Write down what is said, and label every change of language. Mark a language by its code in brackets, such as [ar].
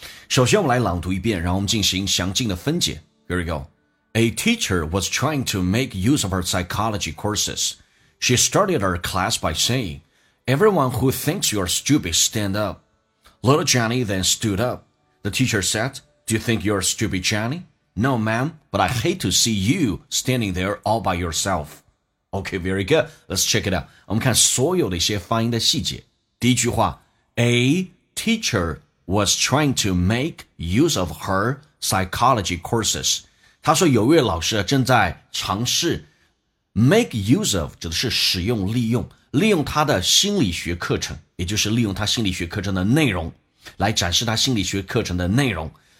[zh] 首先我们来朗读一遍，然后我们进行详尽的分解。 [en] Here we go. A teacher was trying to make use of her psychology courses. She started her class by saying, Everyone who thinks you are stupid, stand up. Little Johnny then stood up. The teacher said, Do you think you are stupid, Johnny? No, ma'am, but I hate to see you standing there all by yourselfOkay, very good. Let's check it out. [zh] 我们看所有的一些发音的细节。第一句话 [en] ,A teacher was trying to make use of her psychology courses. [zh] 他说有位老师正在尝试 [en] make use of, [zh] 指的是使用利用利用他的心理学课程，也就是利用他心理学课程的内容来展示他心理学课程的内容。